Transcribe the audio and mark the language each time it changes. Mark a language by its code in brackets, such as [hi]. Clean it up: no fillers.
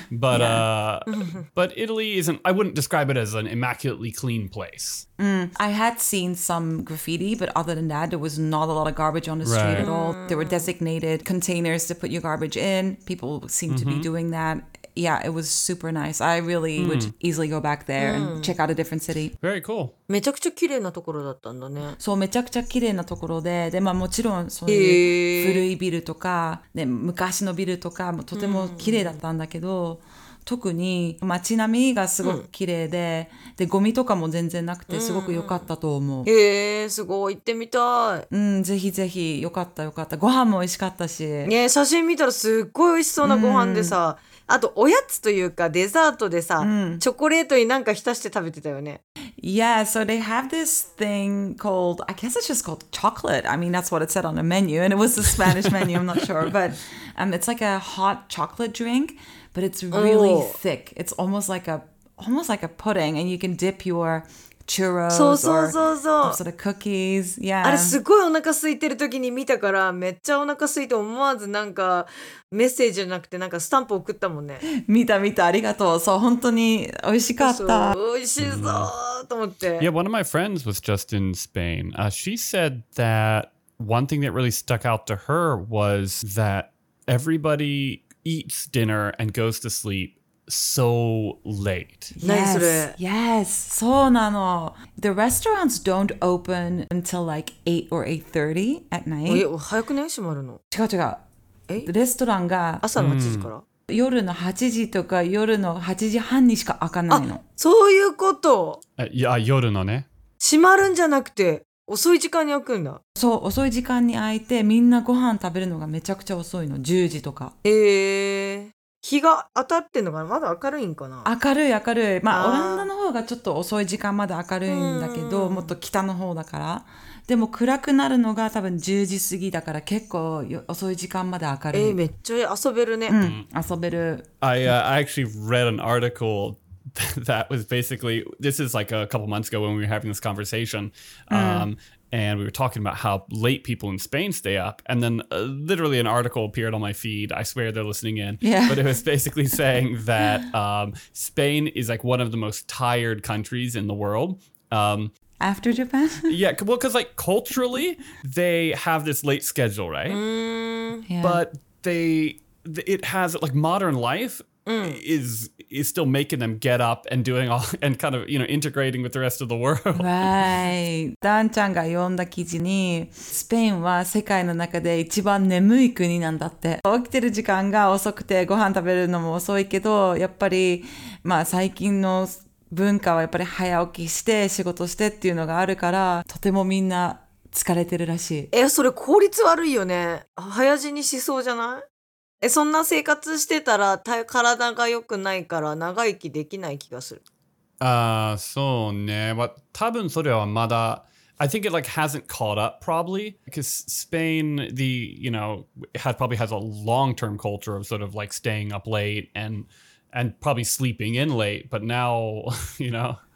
[en] But, but Italy isn't, I wouldn't describe it as an immaculately clean place. I had seen some graffiti, but other than that, there was not a lot of garbage on the street at all. There were designated containers to put your garbage in. People seem to be doing that. Yeah, it was super nice. I really would easily go back there and check out a different city. Very cool. [ja] めちゃくちゃ綺麗なところだったんだね。そう、めちゃくちゃ綺麗なところで、で、まあもちろんそういう古いビルとか、ね、昔のビルとかもとても綺麗だったんだけど、特に街並みがすごく綺麗で、で、ゴミとかも全然なくてすごく良かったと思う。へえ、すごい。行ってみたい。ぜひぜひ。良かった良かった。ご飯も美味しかったし。ね、写真見たらすっごい美味しそうなご飯でさ、あとおやつというかデザートでさ、チョコレートになんか浸して食べてたよね。 [en] Yeah, so they have this thing called, I guess it's just called chocolate. I mean, that's what it said on the menu, and it was the Spanish menu, I'm not sure. But it's like a hot chocolate drink, but it's really thick. It's almost like a pudding, and you can dip your churros or sort of cookies. Yeah. [ja] あれすごいお腹空いてる時に見たから、めっちゃお腹空いて思わずなんか、メッセージじゃなくてなんかスタンプ送ったもんね。見た見た、ありがとう。そう、本当に美味しかった。美味しそうと思って。 [en] Yeah, one of my friends was just in Spain. She said that one thing that really stuck out to her was that everybody eats dinner and goes to sleep so late. Yes, [ja] yes, そうなの。 [en] The restaurants don't open until like 8 or 8:30 at night. [ja] え、早くない?閉まるの? 違う違う。レストランが朝の8時から、夜の8時とか夜の8時半にしか開かないの。あ、そういうこと。いや、夜のね。閉まるんじゃなくて遅い時間に開くんだ。そう、遅い時間に開いてみんなご飯食べるのがめちゃくちゃ遅いの。 10時とか。日が当たってんのかな。まだ明るいんかな。明るい明るい。まあ、オランダの方がちょっと遅い時間まで明るいんだけど、もっと北の方だから。でも暗くなるのが多分10時過ぎだから結構遅い時間まで明るい。めっちゃ遊べるね。遊べる。 [en] I actually read an article that was basically, this is like a couple months ago when we were having this conversation. And we were talking about how late people in Spain stay up. And then literally an article appeared on my feed. I swear they're listening in. Yeah. But it was basically saying that Spain is like one of the most tired countries in the world. After Japan? Yeah, well, because like culturally, they have this late schedule, right? But it has like modern life. Is still making them get up and doing all and kind of, you know, integrating with the rest of the world. Right. [ja] ダンちゃんが読んだ記事に、スペインは世界の中で一番眠い国なんだって。起きてる時間が遅くて、ご飯食べるのも遅いけど、やっぱり、まあ最近の文化はやっぱり早起きして仕事してっていうのがあるから、とてもみんな疲れてるらしい。それ効率悪いよね。早死にしそうじゃない? え、そんな生活してたら体が良くないから長生きできない気がする。ああ、そうね。まあ、多分それはまだ。 [en] I think it like hasn't caught up probably because Spain, the, you know, had probably has a long-term culture of sort of like staying up late and probably sleeping in late, but now, you know.